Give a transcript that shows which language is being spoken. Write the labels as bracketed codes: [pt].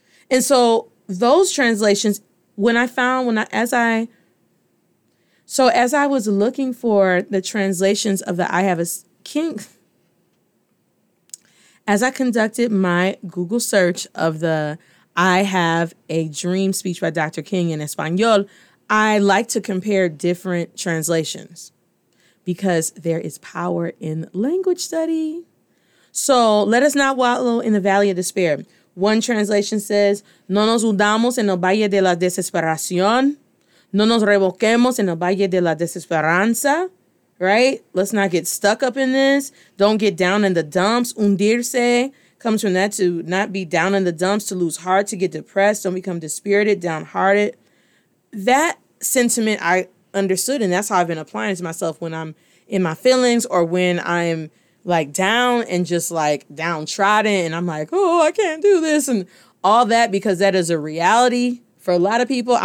[en] And so those translations, as I was looking for the translations of the I Have a King, as I conducted my Google search of the I Have a Dream speech by Dr. King in Espanol, I like to compare different translations because there is power in language study. So let us not wallow in the valley of despair. [es] One translation says, no nos hundamos en el valle de la desesperación. No nos revoquemos en el valle de la desesperanza. [en] Right? Let's not get stuck up in this. Don't get down in the dumps. Hundirse comes from that, to not be down in the dumps, to lose heart, to get depressed. Don't become dispirited, downhearted. That sentiment I understood, and that's how I've been applying it to myself when I'm in my feelings or when I'm like down and just like downtrodden and I'm like, oh, I can't do this and all that, because that is a reality for a lot of people.